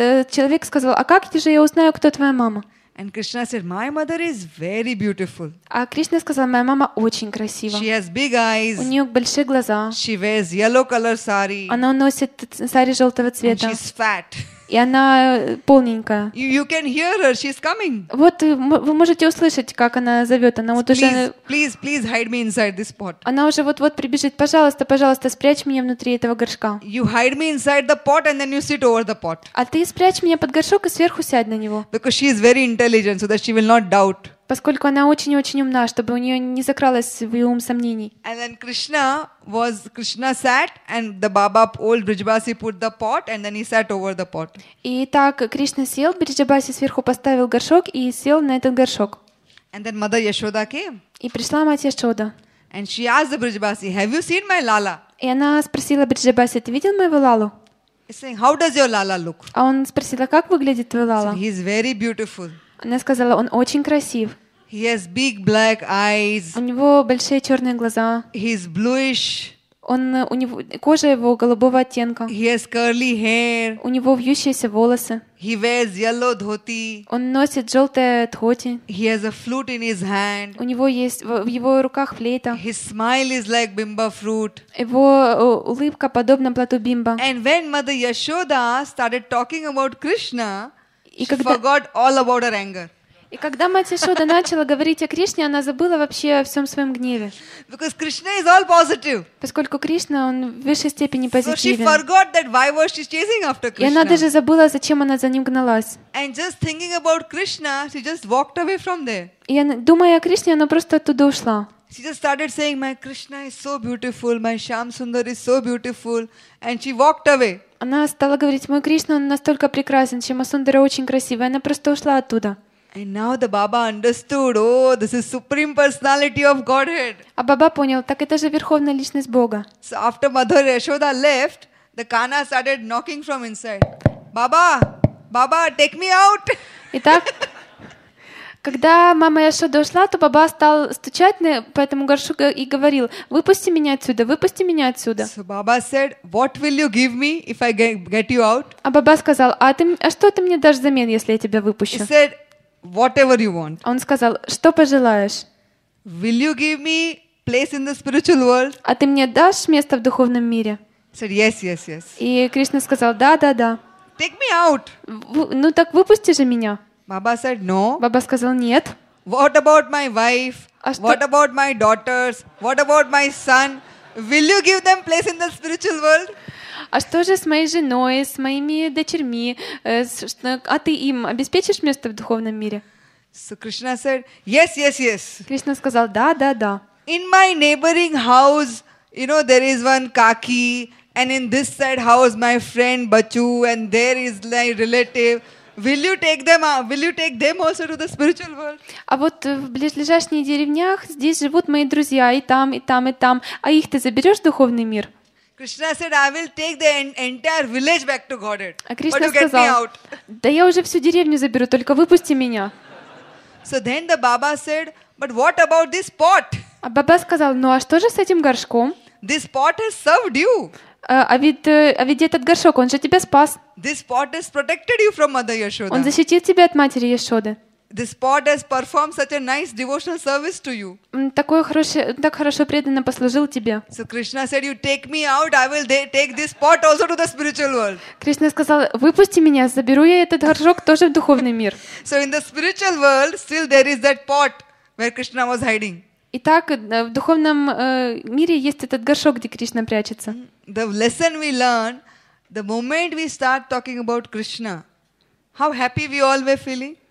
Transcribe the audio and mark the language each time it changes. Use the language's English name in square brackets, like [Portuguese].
[Russian] Человек сказал, "А как же я узнаю, кто твоя мама?" [English] And Krishna said, "My mother is very beautiful." [Russian] А Кришна сказал, "Моя мама очень красива." [English] She has big eyes. [Russian] У нее большие глаза. [English] She wears yellow color sari. [Russian] Она носит сари желтого цвета. [English] And she's fat. [Russian] И она полненькая. [English] You can hear her. She's coming. [Russian] Вот вы можете услышать, как она зовет. Она вот [English] please, [Russian] уже. [English] Please hide me inside this pot. [Russian] Она уже вот прибежит. Пожалуйста, спрячь меня внутри этого горшка. [English] You hide me inside the pot and then you sit over the pot. [Russian] А ты спрячь меня под горшок и сверху сядь на него. [English] Because she is very intelligent, so that she will not doubt. [Russian] Поскольку она очень-очень умна, чтобы у нее не закралось в ее ум сомнений. [English] And then Krishna sat, and the Baba, old Brijabasi, put the pot, and then he sat over the pot. [Russian] И так Кришна сел, Бриджабаси сверху поставил горшок и сел на этот горшок. [English] And then Mother Yashoda came. [Russian] И пришла мать Яшода. [English] And she asked the Brijabasi, "Have you seen my Lala?" [Russian] И она спросила Бриджабаси, "Ты видел моего Лалу?" [English] He's saying, "How does your Lala look?" [Russian] А он спросил, "Как выглядит твой Лала?" [English] So he's very beautiful. [Russian] Она сказала, он очень красив. [English] He has big black eyes. [Russian] У него большие черные глаза. [English] He's bluish. [Russian] Он, у него кожа его голубого оттенка. [English] He has curly hair. [Russian] У него вьющиеся волосы. [English] He wears yellow dhoti. [Russian] Он носит желтое дхоти. [English] He has a flute in his hand. [Russian] У него есть в его руках флейта. [English] His smile is like bimba fruit. [Russian] Его улыбка подобна плату бимба. [English] And when Mother Yashoda started talking about Krishna, she forgot all about her anger. [Russian] И когда мать Яшода начала говорить о Кришне, она забыла вообще о всем своем гневе. [English] Because Krishna is all positive. [Russian] Поскольку Кришна, он в высшей степени позитивен. [English] So she forgot that why was she chasing after Krishna. [Russian] И она даже забыла, зачем она за ним гналась. [English] And just thinking about Krishna, she just walked away from there. [Russian] И она, думая о Кришне, она просто оттуда ушла. [English] She just started saying, "My Krishna is so beautiful, my Shyam Sundar is so beautiful," and she walked away. [Russian] Она стала говорить, мой Кришна, он настолько прекрасен, Шьяма Сундара очень красивый, она просто ушла оттуда. [English] And now the Baba understood, oh, this is Supreme Personality of Godhead. [Russian] А Баба понял, так это же Верховная Личность Бога. [English] So after Mother Yashoda left, the Kana started knocking from inside. Baba, Baba, take me out. [Russian] Итак, когда мама Яшода ушла, то Баба стал стучать по этому горшку и говорил, выпусти меня отсюда, выпусти меня отсюда. [English] So Baba said, what will you give me if I get you out? [Russian] А Баба сказал, а что ты мне дашь взамен, если я тебя выпущу? [English] He said, whatever you want. [Russian] Он сказал, что пожелаешь? [English] Will you give me place in the spiritual world? [Russian] А ты мне дашь место в духовном мире? [English] He said, yes, yes, yes. [Russian] И Кришна сказал, да, да, да. [English] Take me out. [Russian] Ну так выпусти же меня. [English] Baba said, no. [Russian] Баба сказал, нет. [English] What about my wife? What about my daughters? What about my son? Will you give them place in the spiritual world? [Russian] А что же с моей женой, с моими дочерьми? А ты им обеспечишь место в духовном мире? [English] So Krishna said, yes, yes, yes. [Russian] Кришна сказал, да, да, да. [English] In my neighboring house, you know, there is one Kaki, and in this side house my friend Bachu, and there is my relative. Will you take them? Will you take them also to the spiritual world? [Russian] А вот в ближайших деревнях здесь живут мои друзья и там, и там, и там. А их ты заберешь в духовный мир? [English] Krishna said, "I will take the entire village back to Godhead." [Russian] А Кришна сказал, да я уже всю деревню заберу, только выпусти меня. [English] So then the Baba said, "But what about this pot?" [Russian] А Баба сказал, ну а что же с этим горшком? [English] This pot has served you. [Russian] А ведь этот горшок, он же тебя спас. [English] This pot has protected you from Mother Yashoda. [Russian] Он защитил тебя от матери Яшоды. [English] This pot has performed such a nice devotional service to you. [Russian] Такой хороший, так хорошо преданно послужил тебе. [English] So Krishna said, "You take me out, I will take this pot also to the spiritual world." [Russian] Кришна сказал, выпусти меня, заберу я этот горшок тоже в духовный мир. [English] So in the spiritual world, still there is that pot where Krishna was hiding. [Russian] Итак, в духовном мире есть этот горшок, где Кришна прячется. [English] The lesson we learn, the moment we start talking about Krishna, how happy we all were feeling.